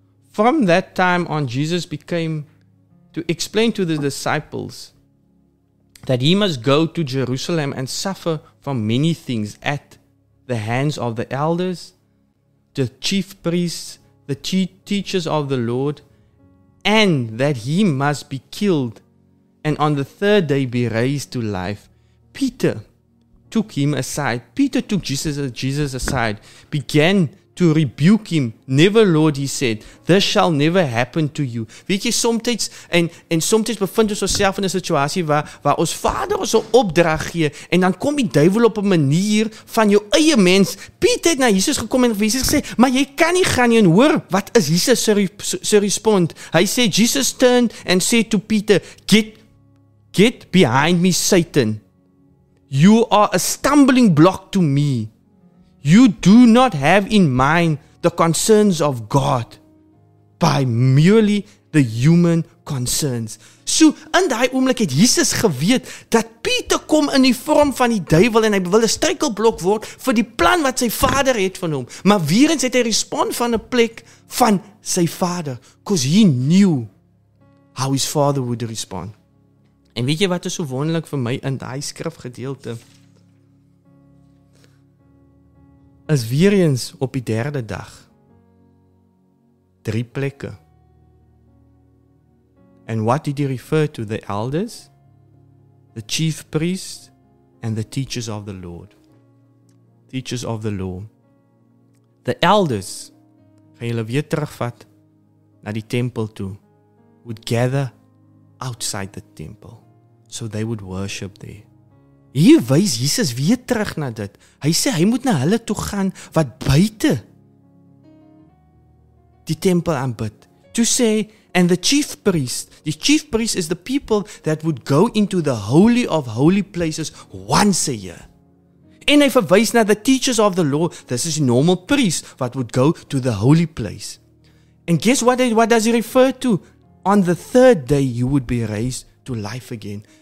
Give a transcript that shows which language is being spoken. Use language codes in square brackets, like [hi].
[en] From that time on Jesus became to explain to the disciples that he must go to Jerusalem and suffer from many things at the hands of the elders, the chief priests, the teachers of the Lord, and that he must be killed and on the third day be raised to life. Peter took him aside. Peter took Jesus aside, began to rebuke him. Never, Lord, he said, this shall never happen to you. [af] Weet jy, somtijds, en somtijds bevind ons onszelf in 'n situasie waar ons vader ons 'n opdrag gee, en dan kom die duivel op 'n manier van jou eie mens. Peter het na Jesus gekom en Jesus gesê, maar jy kan nie gaan nie, en hoor, wat is Jesus se respond? Hy sê, [en] Jesus turned and said to Peter, get behind me, Satan. You are a stumbling block to me. You do not have in mind the concerns of God by merely the human concerns. [af] So, in daai oomblik het Jesus geweet dat Pieter kom in die vorm van die duivel en hy wil 'n struikelblok word vir die plan wat sy vader het van hom. Maar weer eens het hy respond van 'n plek van sy vader, [en] because he knew how his father would respond. [af] En weet jy wat is so wonderlik vir my in daai skrifgedeelte? Is weer eens op die derde dag, drie plekke. [en] And what did he refer to? The elders, the chief priests, and the teachers of the Lord. Teachers of the law. The elders, [af] gaan julle weer terugvat na die tempel toe. [en] Would gather outside the temple so they would worship there. [af] Hier wys Jesus weer terug na dit. Hy sê hy moet na hulle toe gaan wat buite die tempel aanbid. [en] To say, and the chief priest is the people that would go into the holy of holy places once a year. [af] En hy verwys na [en] the teachers of the law, this is normal priests that would go to the holy place. And guess what does he refer to? On the third day you would be raised to life again.